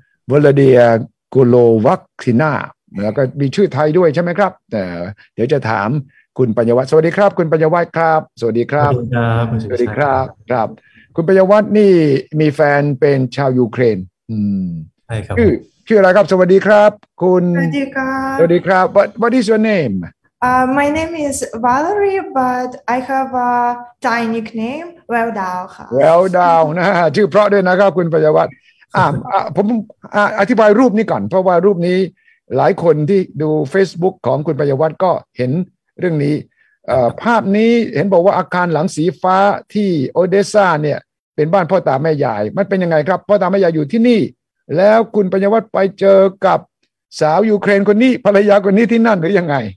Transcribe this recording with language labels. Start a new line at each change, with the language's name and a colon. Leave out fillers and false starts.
Thai: วลาเดียกูโลวัคซินาแล้วก็มีชื่อไทยด้วยใช่ไหมครับแต่เดี๋ยวจะถามคุณปัญญวัฒน์สวัสดีครับคุณปัญญวัฒน์ครับสวัสดีครับ สวัสดีครับ สวัสดีครับครับคุณปัญญวัฒน์นี่มีแฟนเป็นชาวยูเครน ใช่ครับ ชื่ออะไรครับสวัสดีครับคุณ สวัสดีครับ สวัสดีครับ
English: what is your name my name is Valerie but I have a Thai nickname Weldao ค่ ะ
Thai: Weldao นะชื่อเพราะด้วยนะครับคุณปัญญวัฒน์ผมอธิบายรูปนี้ก่อนเพราะว่ารูปนี้หลายคนที่ดู Facebook ของคุณปัญญวัฒน์ก็เห็นเรื่องนี้ภาพนี้เห็นบอกว่าอาคารหลังสีฟ้าที่โอเดซ่าเนี่ยเป็นบ้านพ่อตาแม่ยายมันเป็นยังไงครับพ่อตาแม่ยายอยู่ที่นี่แล้วคุณปัญญวัฒน์ไปเจอกับสาวยูเครนคนนี้ภรรยาคนนี้ที่นั่นหรือยังไง